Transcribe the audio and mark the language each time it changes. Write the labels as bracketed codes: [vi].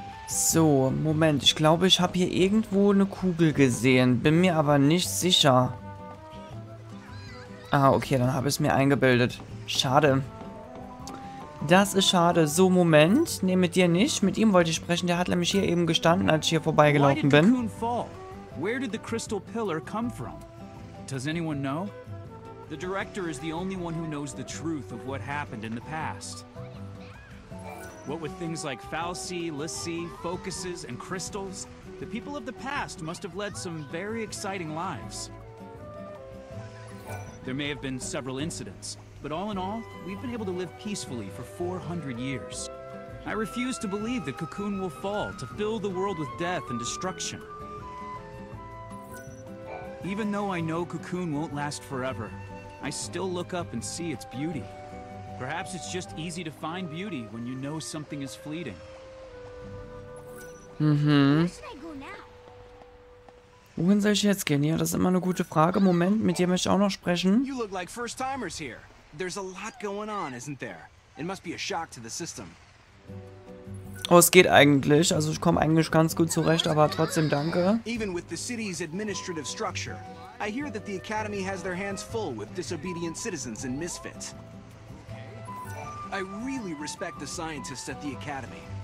[de] So, Moment, ich glaube, ich habe hier irgendwo eine Kugel gesehen, bin mir aber nicht sicher. Ah, okay, dann habe ich es mir eingebildet. Schade. Das ist schade. So, Moment. Ne, mit dir nicht. Mit ihm wollte ich sprechen. Der hat nämlich hier eben gestanden, als ich hier vorbeigelaufen bin. Warum ist Cocoon fall? [en] Where did the crystal pillar come from? Does anyone know? The director is the only one who knows the truth of what happened in the past. What with things like Falci, Lissi, focuses and crystals, the people of the past must have led some very exciting lives. There may have been several incidents. But all in all, we've been able to live peacefully for 400 years. I refuse to believe the cocoon will fall to fill the world with death and destruction. Even though I know cocoon won't last forever, I still look up and see its beauty. Perhaps it's just easy to find beauty when you know something is fleeting. Mhm. [de] Wohin soll ich jetzt gehen? Ja, das ist immer eine gute Frage. Moment, mit dir möchte ich auch noch sprechen. [en] You look like first timers here. There's a lot going on, isn't there? It must be a shock to the system. [de] Oh, es geht eigentlich. Also ich komme eigentlich ganz gut zurecht, aber trotzdem danke. [en] Even with the city's administrative structure, I hear that the academy has their hands full with disobedient citizens and misfits. I really respect the scientists at the academy.